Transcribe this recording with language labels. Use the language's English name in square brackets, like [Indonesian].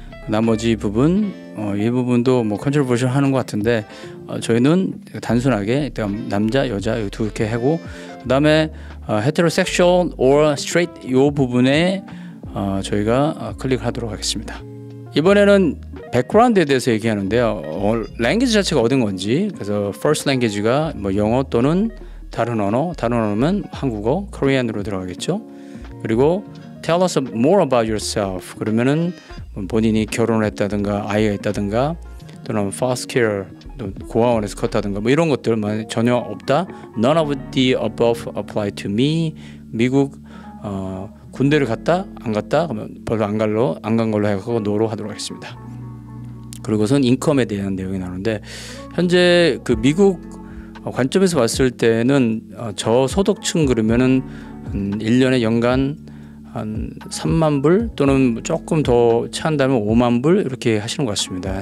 [Korean] 나머지 부분, 이 부분도 뭐 컨트리뷰션 하는 것 같은데 저희는 단순하게 일단 남자, 여자 두 개 하고 그 다음에 heterosexual or straight 이 부분에 저희가 클릭하도록 하겠습니다. 이번에는 백그라운드에 대해서 얘기하는데요. 랭귀지 자체가 어떤 건지, 그래서 first language가 뭐 영어 또는 다른 언어, 다른 언어면 한국어, Korean으로 들어가겠죠. 그리고 [English] tell us more about yourself. [Korean] 그러면은 본인이 결혼을 했다든가 아이가 있다든가 또는 foster care, 고아원에서 컸다든가 뭐 이런 것들 전혀 없다. [English] None of the above apply to me. [Korean] 미국 군대를 갔다 안 갔다 그러면 별로 안 간 걸로 해서 no로 하도록 하겠습니다. 그리고선 인컴에 대한 내용이 나오는데 현재 그 미국 관점에서 봤을 때는 저소득층 그러면은 1년에 연간 한 3만 불 또는 조금 더 차한다면 5만 불 이렇게 하시는 것 같습니다.